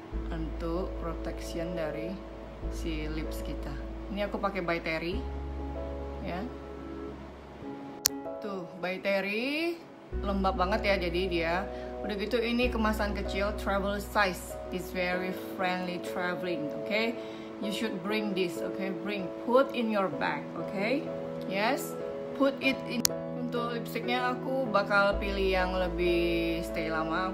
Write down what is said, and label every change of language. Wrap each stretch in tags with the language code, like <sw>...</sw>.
<id>Untuk protection dari si lips kita. Ini aku pakai By Terry. Ya. Yeah. Tuh, By Terry. Lembab banget ya, jadi dia. Udah gitu, ini kemasan kecil.</id> <en>Travel size. It's very friendly traveling, oke. Okay? You should bring this, okay? Put in your bag, okay? Yes, put it in.</en> <id>Untuk lipsticknya aku bakal pilih yang lebih stay lama.</id>